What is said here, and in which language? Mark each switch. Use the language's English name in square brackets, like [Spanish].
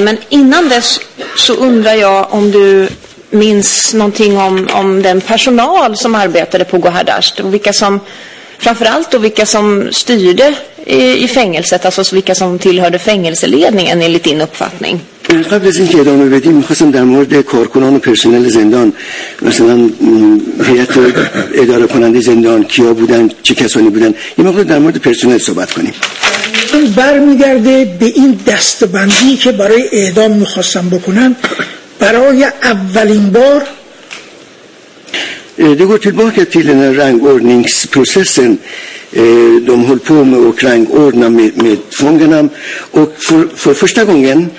[Swedish] Men innan dess så undrar jag om du minns någonting om den personal som arbetade på Gohardasht och vilka som... Framförallt då vilka som styrde i fängelset, alltså vilka som tillhörde fängelseledningen enligt din uppfattning. [Persian] قبل از اینکه ادامه بدیم می‌خواستم در مورد کارکنان و پرسنل زندان، مثلا هیئت اداره کننده زندان کیا بودن، چه کسانی بودن، یه مقدار در مورد پرسنل صحبت کنیم. برمیگرده به این دستبندی که برای اعدام می‌خواستم بکنم. برای اولین بار [Swedish] det går tillbaka till den här rangordningsprocessen de höll på med och rangordna med fångarna, och för första gången